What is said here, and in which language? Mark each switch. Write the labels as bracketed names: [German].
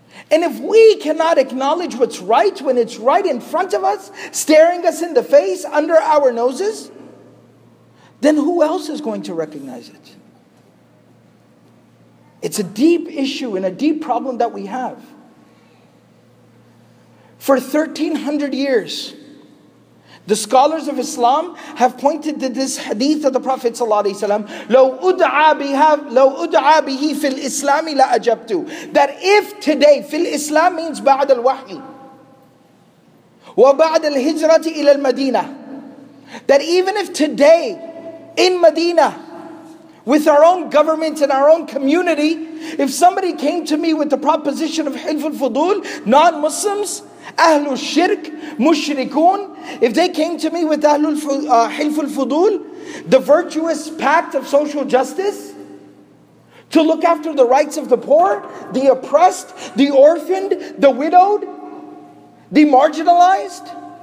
[English] And if we cannot acknowledge what's right when it's right in front of us, staring us in the face, under our noses, then who else is going to recognize it? It's a deep issue and a deep problem that we have. For 1300 years, The scholars of Islam have pointed to this hadith of the Prophet ﷺ. [Arabic] لو أدعى به في الإسلام لا أجبته. [English] That if today, [Arabic] في الإسلام [English] means [Arabic] بعد الوحي وبعد الهجرة إلى المدينة. [English] That even if today in Medina, with our own government and our own community, if somebody came to me with the proposition of Hilful Fudul, non-Muslims, Ahlul Shirk, Mushrikun, if they came to me with Ahlul Hilful Fudul, the virtuous pact of social justice, to look after the rights of the poor, the oppressed, the orphaned, the widowed, the marginalized,